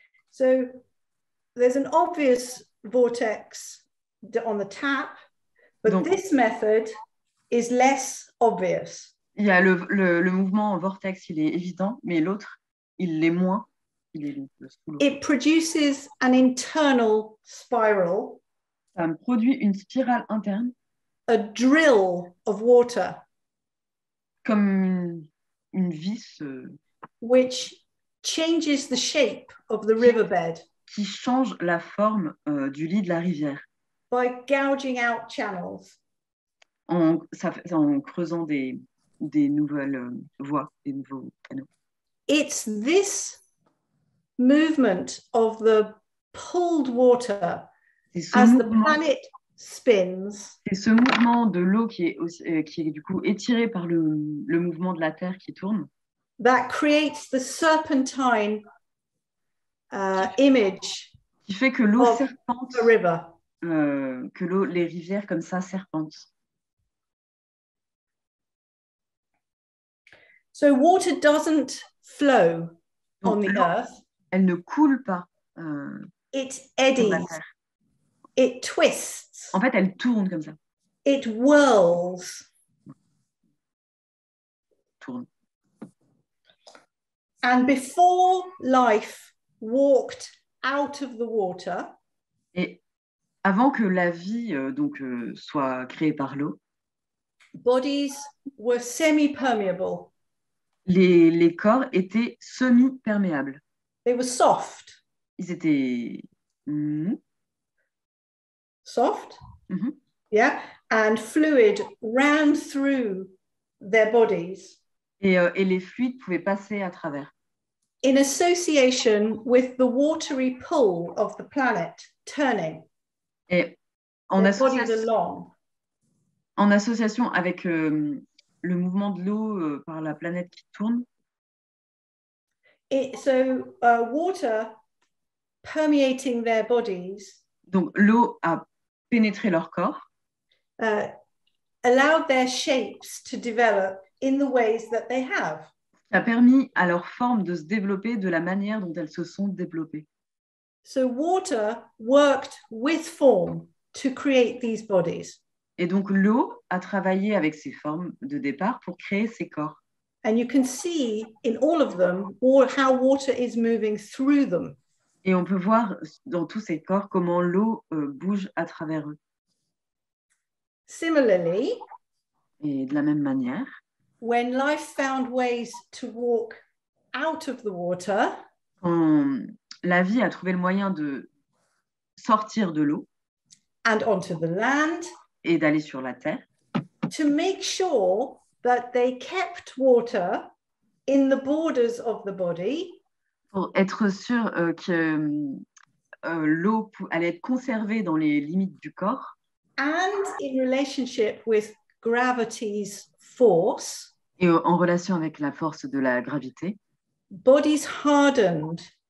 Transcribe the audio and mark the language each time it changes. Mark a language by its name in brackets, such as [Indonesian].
[English] So there's an obvious vortex on the tap, but donc, this method is less obvious. [French] Il y a le mouvement en vortex, il est évident, mais l'autre, il l'est moins. Il est sous l'eau. [English] It produces an internal spiral. [French] Ça me produit une spirale interne. [English] A drill of water. [French] Comme une vis. [English] Which changes the shape of the riverbed. [French] Qui change la forme du lit de la rivière. [English] By gouging out channels. [French] En creusant des nouvelles voies, des nouveaux canaux. [English] It's this movement of the pulled water as the planet spins. [French] C'est ce mouvement de l'eau qui est du coup étiré par le mouvement de la Terre qui tourne. [English] That creates the serpentine image. [French] Qui fait que l'eau serpente. [English] The river. [French] Que l'eau, les rivières comme ça serpentent. [English] So water doesn't flow on the earth. [French] Elle ne coule pas. [English] It eddies. It twists. [French] En fait, elle tourne comme ça. [English] It whirls. [French] Tourne. [English] And before life walked out of the water. [French] Et avant que la vie soit créée par l'eau. [English] Bodies were semi-permeable. [French] Les corps étaient semi-perméables. [English] They were soft. [French] Ils étaient mous. [English] Soft. Mm-hmm. Yeah. And fluid ran through their bodies. [French] Et les fluides pouvaient passer à travers. [English] In association with the watery pull of the planet turning. [French] Et en [English] association. Their bodies are long. [French] En association avec le mouvement de l'eau par la planète qui tourne. [English] Water permeating their bodies. [French] Donc l'eau a pénétrer leur corps. [English] Allowed their shapes to develop in the ways that they have. [French] Ça a permis à leur forme de se développer de la manière dont elles se sont développées. [English] So water worked with form to create these bodies. [French] Et donc l'eau a travaillé avec ces formes de départ pour créer ces corps. [English] And you can see in all of them or how water is moving through them. [French] Et on peut voir dans tous ces corps comment l'eau bouge à travers eux. [English] Similarly, [French] et de la même manière, [English] when life found ways to walk out of the water, [French] la vie a trouvé le moyen de sortir de l'eau [English] and onto the land, [French] et d'aller sur la terre, [English] to make sure that they kept water in the borders of the body, [French] pour être sûr que l'eau allait être conservée dans les limites du corps, [English] and in relationship with gravity's force, [French] et en relation avec la force de la gravité, [English] bodies hardened,